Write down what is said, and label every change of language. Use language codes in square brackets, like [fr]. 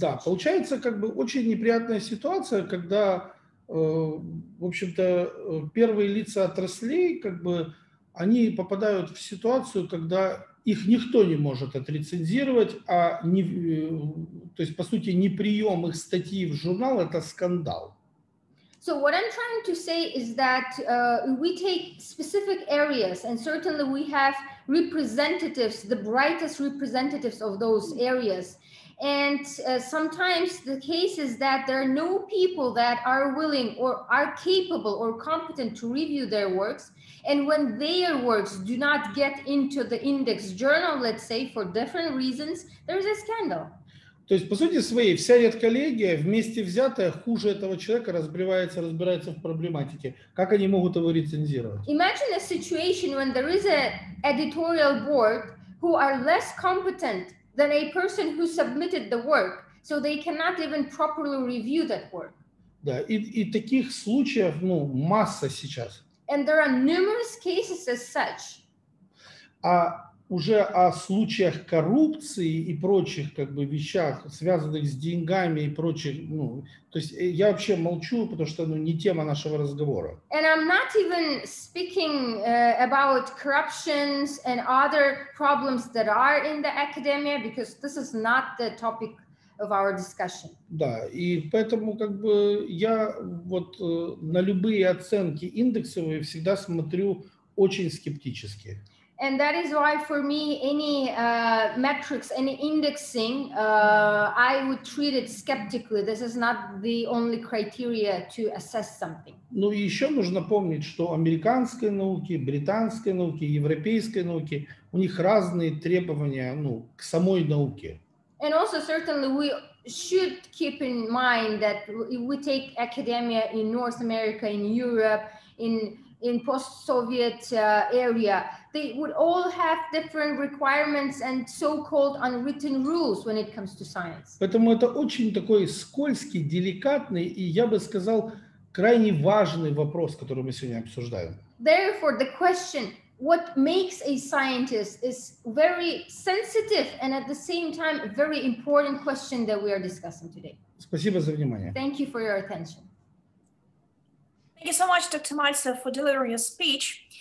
[ru] Да, получается как бы очень неприятная ситуация, когда в общем-то первые лица отраслей как бы они попадают в ситуацию, когда их никто не может отрецензировать, а не, то есть, по сути, не прием их статьи в журнал – это скандал. [en] So what I'm trying to say is that we take specific areas, and certainly we have representatives, the brightest representatives of those areas. And sometimes the case is that there are no people that are willing or are capable or competent to review their works. And when their works do not get into the index journal, let's say, for different reasons, there is a scandal. [ru] То есть, по сути своей, вся редколлегия вместе взятая хуже этого человека разбирается в проблематике. Как они могут его рецензировать? [en] Imagine a situation when there is an editorial board who are less competent than a person who submitted the work, so they cannot even properly review that work. [ru] Да, и таких случаев, ну, масса сейчас. [en] And there are numerous cases as such. [ru] А уже о случаях коррупции и прочих как бы вещах, связанных с деньгами и прочих, ну, то есть я вообще молчу, потому что, ну, не тема нашего разговора. [en] And I'm not even speaking about corruptions and other problems that are in the academia, because this is not the topic of our discussion. [ru] Да, и поэтому как бы я вот на любые оценки индексовые всегда смотрю очень скептически. [en] And that is why for me any metrics, any indexing, I would treat it skeptically. This is not the only criteria to assess something. [ru] Ну и еще нужно помнить, что американской науки, британской науки, европейской науки, у них разные требования, ну, к самой науке. [en] And also certainly we should keep in mind that if we take academia in North America, in Europe, in post-Soviet area, they would all have different requirements and so-called unwritten rules when it comes to science. [ru] Поэтому это очень такой скользкий, деликатный и, я бы сказал, крайне важный вопрос, который мы сегодня обсуждаем. [en] Therefore, the question, what makes a scientist, is very sensitive and at the same time a very important question that we are discussing today. [ru] Спасибо за внимание. [en] Thank you for your attention. Thank you so much, Dr. Maltsev, for delivering your speech.